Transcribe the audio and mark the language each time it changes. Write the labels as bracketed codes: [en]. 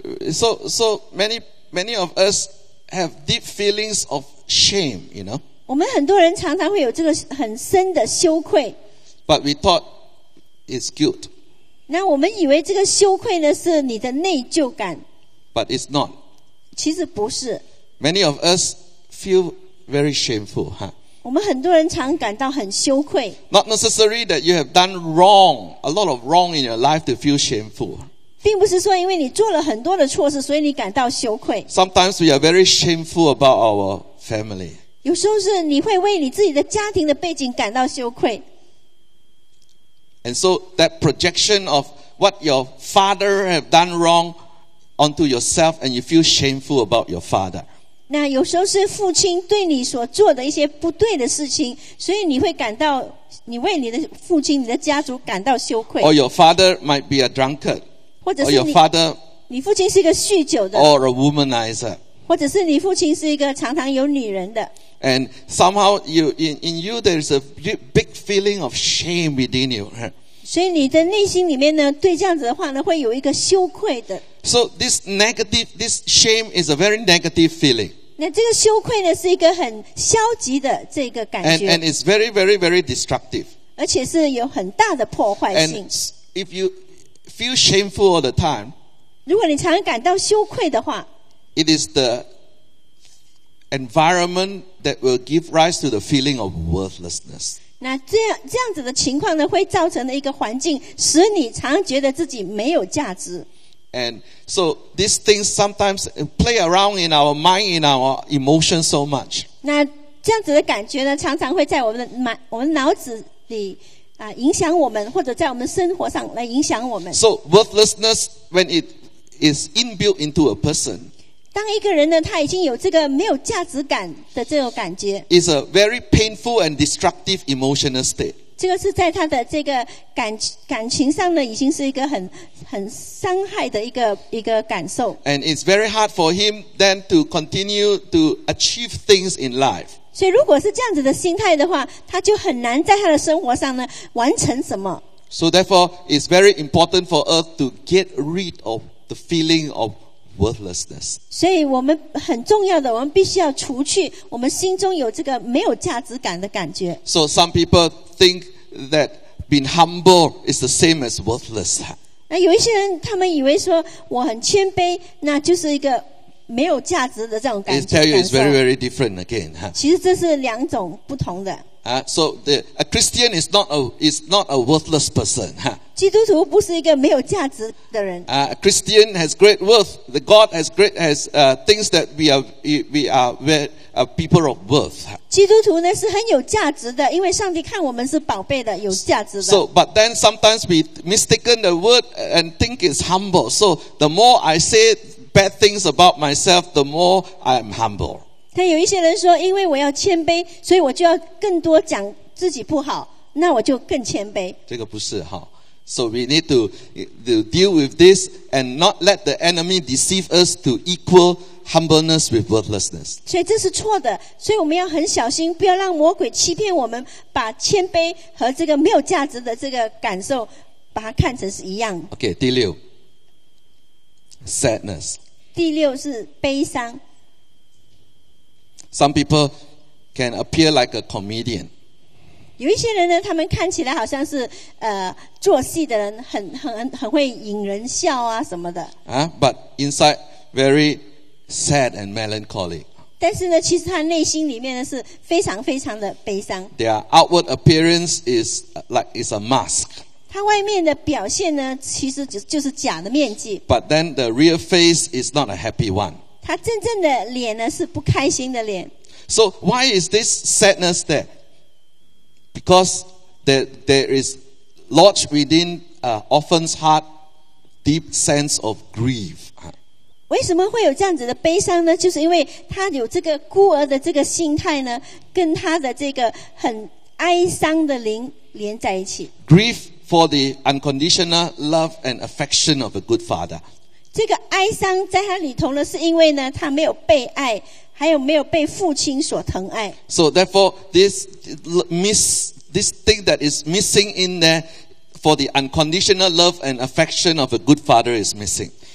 [en] So many of us have deep feelings of shame, you know. [zh] 我们很多人常常会有这个很深的羞愧。 [en] But we thought it's guilt. [zh] 那我们以为这个羞愧呢是你的内疚感。 [en] But it's not. [zh] 其实不是。 [en] Many of us feel very shameful, huh? [zh] 我们很多人常感到很羞愧。 [en] Not necessary that you have done wrong, a lot of wrong in your life to feel shameful. [zh] 并不是说因为你做了很多的错事所以你感到羞愧。 [en] Sometimes we are very shameful about our family. [zh] 有时候是你会为你自己的家庭的背景感到羞愧。 [en] And so that projection of what your father have done wrong onto yourself and you feel shameful about your father. [zh] 那有时候是父亲对你所做的一些不对的事情所以你会感到你为你的父亲你的家族感到羞愧。 [en] Or your father might be a drunkard. [zh] 或者是 [en] or your father, [zh] 你父亲是一个酗酒的 [en] or a womanizer, [zh] 或者是你父亲是一个常常有女人的 [en] and somehow you, in you there is a big feeling of shame within you [zh] 所以你的内心里面呢对这样子的话呢会有一个羞愧的 [en] so this negative this shame is a very negative feeling [zh] 那这个羞愧呢是一个很消极的这个感觉 [en] and it's very very very destructive [zh] 而且是有很大的破坏性 [en] and if youfeel shameful all the time, [zh] 如果你常感到羞愧的话, [en] it is the environment that will give rise to the feeling of worthlessness. [zh] 那这样子的情况呢会造成的一个环境使你常觉得自己没有价值。 [en] And so these things sometimes play around in our mind, in our emotions so much. [zh] 那这样子的感觉呢常常会在我们脑子里影响我们或者在我们生活上来影响我们 [en] So worthlessness when it is inbuilt into a person [zh] 当一个人呢他已经有这个没有价值感的这种感觉 [en] is a very painful and destructive emotional state [zh] 这个是在他的这个感情上呢已经是一个很伤害的一个感受 [en] and it's very hard for him then to continue to achieve things in life [zh] 所以如果是这样子的心态的话他就很难在他的生活上呢完成什么 [en] So therefore it's very important for us to get rid of the feeling of worthlessness [zh] 所以我们很重要的我们必须要除去我们心中有这个没有价值感的感觉 [en] So some people think that being humble is the same as worthless [zh] 那有一些人他们以为说我很谦卑那就是一个没有价值的这种感觉 [en] tell you it's very very different again、huh? [zh] 其实这是两种不同的、 [en] so the, a Christian is not a worthless person、huh? [zh] 基督徒不是一个没有价值的人、 [en] a Christian has great worth the God has great has things that we are people of worth、huh? [zh] 基督徒呢是很有价值的因为上帝看我们是宝贝的有价值的 [en] so, but then sometimes we mistaken the word and think it's humble so the more I say itbad things about myself the more I am humble [zh] 但有一些人说因为我要谦卑所以我就要更多讲自己不好那我就更谦卑这个不是哈 [en] so we need to deal with this and not let the enemy deceive us to equal humbleness with worthlessness [zh] 所以这是错的所以我们要很小心不要让魔鬼欺骗我们把谦卑和这个没有价值的这个感受把它看成是一样 [en] OK [zh] 第六 [en] Sadness. [zh] 第六是悲伤。 [en] Some people can appear like a comedian. [zh] 有一些人呢，他们看起来好像是做戏的人，很会引人笑啊什么的。 [en] But inside very sad and melancholy. [zh] 但是呢其实他内心里面呢是非常非常的悲伤。 [en] Their outward appearance is like it's a mask. [zh] 他外面的表现呢其实就是假的面具。 [en] But then the real face is not a happy one. [zh] 他真正的脸呢是不开心的脸。 [en] So why is this sadness there? Because there is lodged within orphan's heart deep sense of grief. [zh] 为什么会有这样子的悲伤呢？就是因为他有这个孤儿的这个心态呢，跟他的这个很哀伤的灵连在一起。 [en] Grief for the unconditional love and affection of a good father. [zh] 这个哀伤在他里头呢，是因为呢他没有被爱。还有没有被父亲所疼爱。 [en] So therefore, this thing that is missing in there for the unconditional love and affection of a good father is missing.